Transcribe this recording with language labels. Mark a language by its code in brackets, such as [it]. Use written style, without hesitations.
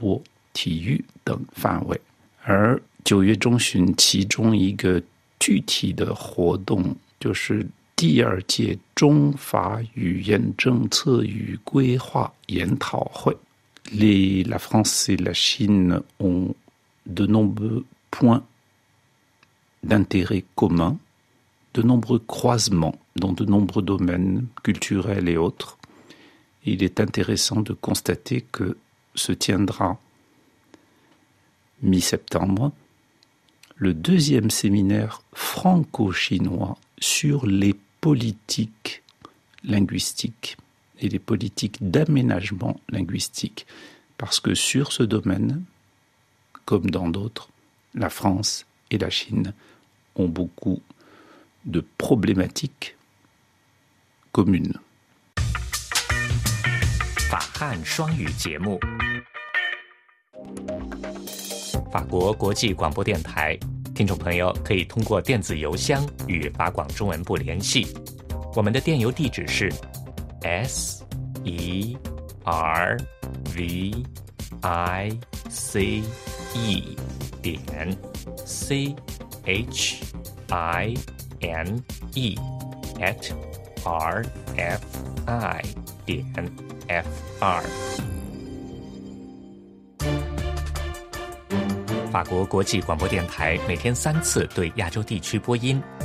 [zh] 这个高层人文交流机制会涵盖教育、文化、传播、体育等范围。而9月中旬其中一个具体的活动就是第二届中法语言政策与规划研讨会。 [fr] La France et la Chine ont de nombreux points d'intérêt commun, de nombreux croisements dans de nombreux domaines culturels et autres. Il est intéressant de constater que se tiendra mi-septembre le deuxième séminaire franco-chinois sur les politiques linguistiques et les politiques d'aménagement linguistique. Parce que sur ce domaine, comme dans d'autres, la France et la Chine ont beaucoup de problématiques communes. [zh] 法汉双语节目 法国国际广播电台 听众朋友可以通过电子邮箱与法广中文部联系。我们的电邮地址是 serve.chine@rfi.fr 法国国际广播电台每天三次对亚洲地区播音，